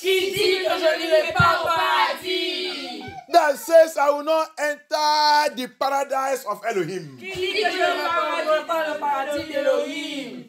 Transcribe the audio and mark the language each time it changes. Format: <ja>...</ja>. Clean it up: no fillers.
<fr>Qui dit que je n'irai pas au paradis?</fr> <en>That says I will not enter the paradise of Elohim.</en> <fr>Qui dit que je ne vais pas au paradis d'Elohim?</fr>